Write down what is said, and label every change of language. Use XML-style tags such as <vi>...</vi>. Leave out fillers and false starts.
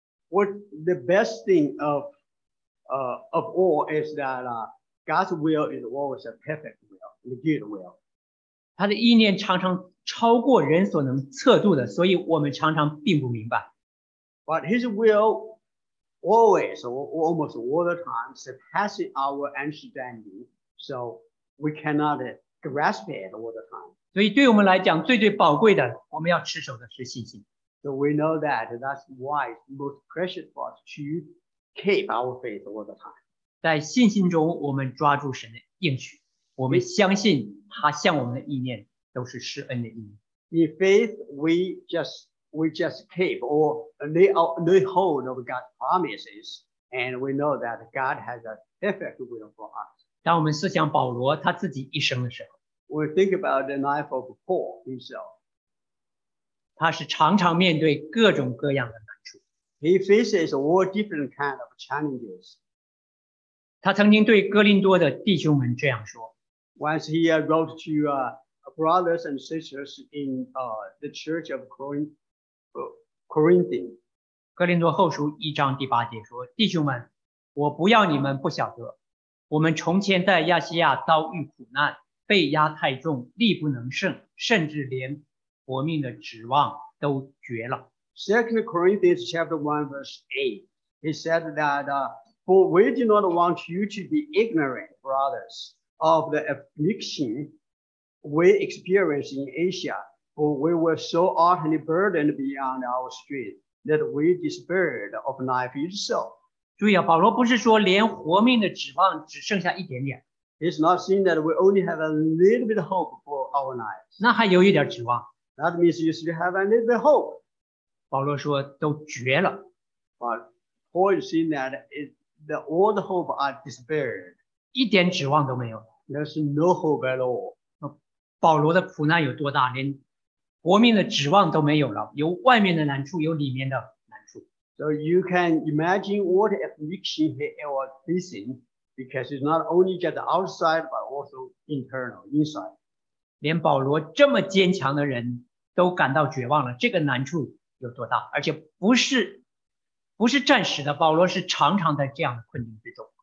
<en>What the best thing of all is that God's will is always a perfect will, a good will.</en> <zh>他的意念常常超过人所能测度的，所以我们常常并不明白。</zh> <en>But his will always, or almost all the time, surpasses our understanding, so we cannot grasp it all the time.</en> <zh>所以对我们来讲，最最宝贵的，我们要持守的是信心。</zh> <en>So we know that's why it's most precious for us to keep our faith all the time.</en> <zh>在信心中，我们抓住神的应许。我们相信他向我们的意念都是施恩的意念。</zh> <en>In faith, we just keep or lay hold of God's promises, and we know that God has a perfect will for us.</en> <zh>当我们思想保罗他自己一生的时候</zh> <en>We think about the life of Paul himself.</en> <zh>他是常常面对各种各样的难处</zh> <en>He faces all different kind of challenges.</en> <zh>他曾经对哥林多的弟兄们这样说</zh> <en>Once he wrote to brothers and sisters in the church of Corinth.</en> <zh>哥林多后书一章第八节说弟兄们我不要你们不晓得我们从前在亚细亚遭遇苦难被压太重力不能胜甚至连活命的指望都绝了</zh> <en>2 Corinthians chapter 1 verse 8 He said that For we do not want you to be ignorant brothers of the affliction we experience in Asia For we were so utterly burdened beyond our strength that we despaired of life itself</en> <zh>对啊，保罗不是说连活命的指望只剩下一点点。</zh> <en>It's not saying that we only have a little bit of hope for our lives.</en> <zh>那还有一点指望。</zh> <en>That means you still have a little bit of hope.</en> <zh>保罗说都绝了。</zh> <en>But Paul is saying that all the hope are despaired.</en> <zh>一点指望都没有。</zh> <en>There's no hope at all.</en> <zh>保罗的苦难有多大，连活命的指望都没有了，有外面的难处，有里面的。</zh> <en>So you can imagine what affliction he was facing because it's not only just outside but also internal, inside.</en> <zh>连保罗这么坚强的人都感到绝望了，这个难处有多大？而且不是暂时的，保罗是常常在这样的困境之中。</zh>